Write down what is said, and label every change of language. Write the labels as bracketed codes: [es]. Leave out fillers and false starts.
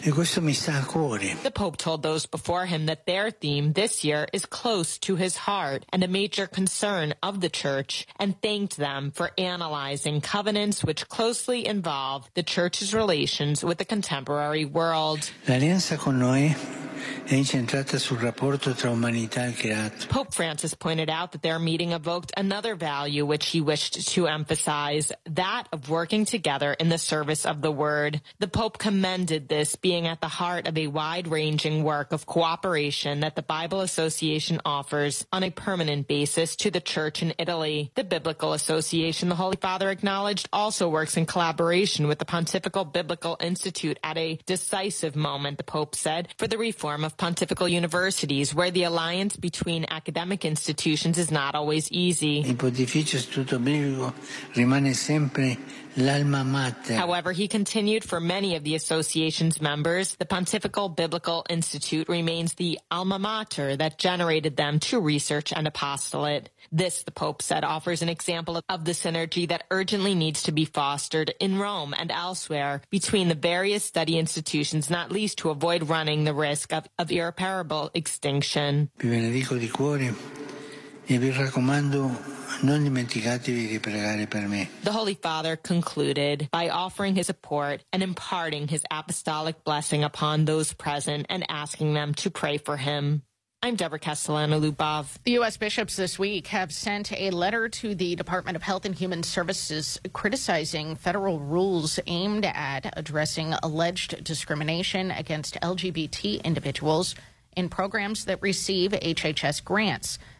[it] E questo mi sta a cuore. [en] The Pope told those before him that their theme this year is close to his heart and a major concern of the Church, and thanked them for analyzing covenants which closely involve the Church's relations with the contemporary world. [it] L'alleanza con noi è incentrata sul rapporto tra umanità e creato. [en] Pope Francis pointed out that their meeting evoked another value which he wished to emphasize, that of working together in the service of the Word. The Pope commended this being at the heart of a wide-ranging work of cooperation that the Bible Association offers on a permanent basis to the Church in Italy. The Biblical Association, the Holy Father acknowledged, also works in collaboration with the Pontifical Biblical Institute at a decisive moment, the Pope said, for the reform of pontifical universities, where the alliance between academic institutions is not always easy. [it] Il Pontificio Istituto Biblico rimane sempre l'alma mater. [en] However, he continued, for many of the association's members, the Pontifical Biblical Institute remains the alma mater that generated them to research and apostolate. This, the Pope said, offers an example of the synergy that urgently needs to be fostered in Rome and elsewhere between the various study institutions, not least to avoid running the risk of irreparable extinction. [it] Vi benedico di cuore e vi raccomando, non dimenticatevi di pregare per me. [en] The Holy Father concluded by offering his support and imparting his apostolic blessing upon those present and asking them to pray for him. I'm Deborah Castellano-Lubov. The U.S. bishops this week have sent a letter to the Department of Health and Human Services criticizing federal rules aimed at addressing alleged discrimination against LGBT individuals in programs that receive HHS grants.